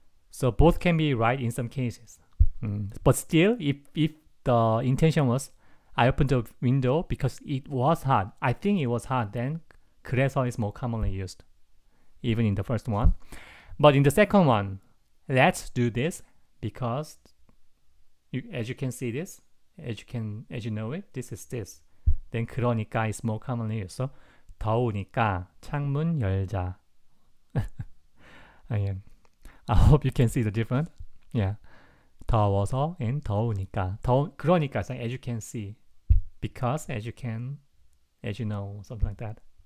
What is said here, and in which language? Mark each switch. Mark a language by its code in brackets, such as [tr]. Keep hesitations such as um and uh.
[en] So both can be right in some cases. Mm. But still, if, if the intention was I opened the window because it was hard. I think it was hard then. 그래서 is more commonly used, even in the first one. But in the second one, let's do this because you, as you can see this, as you can, as you know it, this is this. Then 그러니까 is more commonly used. [ko] So 더우니까 창문 열자. [en] I, I hope you can see the difference. Yeah. 더워서 and 더우니까. 더, 그러니까, so as you can see because as you can as you know something like that